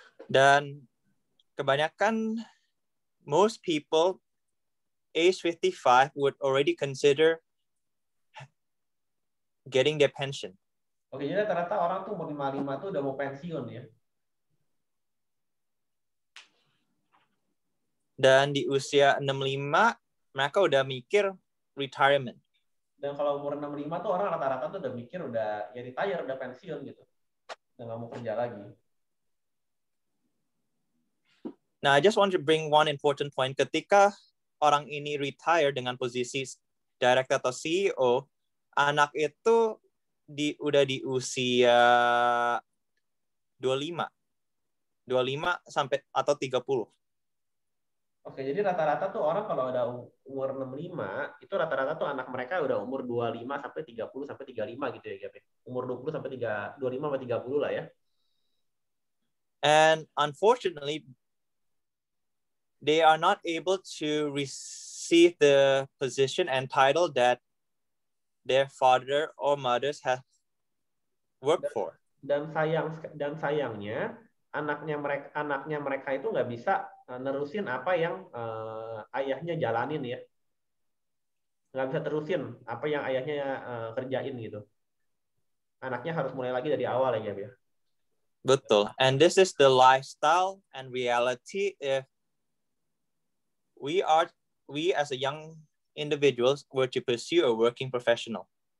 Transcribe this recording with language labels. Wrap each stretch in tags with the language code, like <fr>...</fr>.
<id>Dan kebanyakan</id> <en>most people age 55 would already consider getting their pension.</en> <id>Oke, jadi rata-rata orang tuh umur 55 tuh udah mau pensiun ya. Dan di usia 65 mereka udah mikir retirement. Dan kalau umur 65 tuh orang rata-rata tuh udah mikir udah ya retire, udah pensiun gitu. Udah enggak mau kerja lagi. Nah,</id> <en>I just want to bring one important point.</en> <id>Ketika orang ini retire dengan posisi director atau CEO, anak itu udah di usia 25. 25 sampai atau 30. Oke, jadi rata-rata tuh orang kalau udah umur 65, itu rata-rata tuh anak mereka udah umur 25 sampai 30 sampai 35 gitu ya, Gap. Umur 20 sampai 25 sampai 30 lah ya.</id> <en>And unfortunately, they are not able to receive the position and title that their father or mothers have worked for.</en> <id>Dan sayangnya, anaknya mereka itu nggak bisa nerusin apa yang ayahnya jalanin ya, nggak bisa terusin apa yang ayahnya kerjain gitu, anaknya harus mulai lagi dari awal ya, Gap, ya. Betul.</id> <en>And this is the lifestyle and reality if we as a young individuals were to pursue a working professional.</en>